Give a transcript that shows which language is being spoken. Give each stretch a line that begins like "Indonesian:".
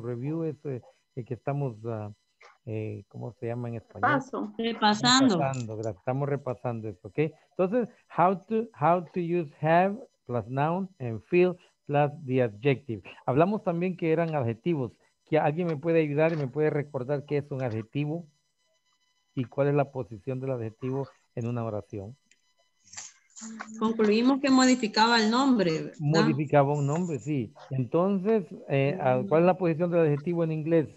Spanish: Review es el que estamos, ¿cómo se llama en español? Paso. Repasando. Repasando, gracias. Estamos repasando eso, ¿ok? Entonces,
English: how to use have plus noun and feel plus the adjective.
Spanish: Hablamos también que eran adjetivos. ¿Que alguien me puede ayudar y me puede recordar qué es un adjetivo? ¿Y cuál es la posición del adjetivo en una oración? Concluimos que modificaba el nombre, ¿verdad? Modificaba un nombre, sí. Entonces, ¿cuál es la posición del adjetivo en inglés?